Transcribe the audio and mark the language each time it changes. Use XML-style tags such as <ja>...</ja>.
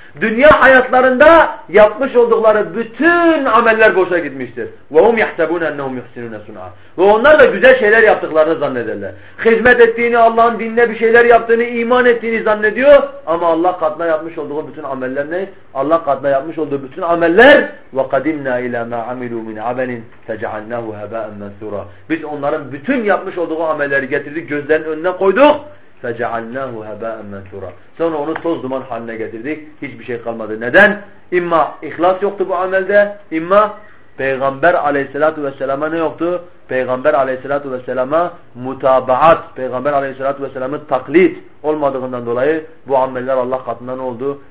<tr>Dünya hayatlarında yapmış oldukları bütün ameller boşa gitmiştir.</tr> <ar>وَهُمْ يَحْتَبُونَ اَنَّهُمْ يُحْسِنُونَ سُنْعَى.</ar> <tr>Ve onlar da güzel şeyler yaptıklarını zannederler. Hizmet ettiğini, Allah'ın dinine bir şeyler yaptığını, iman ettiğini zannediyor. Ama Allah katına yapmış olduğu bütün ameller ne? Allah katına yapmış olduğu bütün ameller</tr> <ar>وَقَدِمْنَا اِلَى مَا عَمِلُوا مِنْ عَمَلٍ فَجَعَلْنَاهُ هَبَاءً مَنْثُورًا.</ar> <tr>Biz onların bütün yapmış olduğu amelleri getirdik, gözlerinin önüne koyduk.</tr> <ar>فَجَعَلْنَاهُ هَبَاءً مَنْثُورًا.</ar> <tr>Sonra onu toz duman haline getirdik. Hiçbir şey kalmadı. Neden? İmma ihlas yoktu bu amelde. İmma Peygamber aleyhissalatu vesselama ne yoktu? Peygamber aleyhissalatu vesselama mutabaat, Peygamber aleyhissalatu vesselamı taklit olmadığından dolayı bu ameller Allah katından ne oldu?</tr>